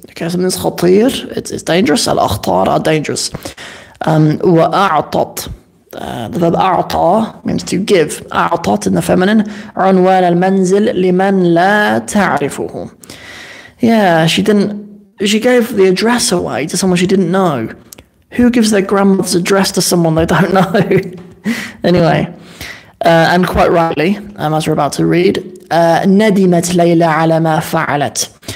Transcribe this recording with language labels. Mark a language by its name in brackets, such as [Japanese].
[English] Okay, something's khatir, it's dangerous, al-akhtar are dangerous. Wa'a'tat. The verb a'ta means to give. A'tat in the feminine. [Arabic] عنوان المنزل لمن لا تعرفه. [English] Yeah, she gave the address away to someone she didn't know. Who gives their grandmother's address to someone they don't know? Anyway, and quite rightly, as we're about to read, [Arabic] ندمت ليلى على ما فعلت.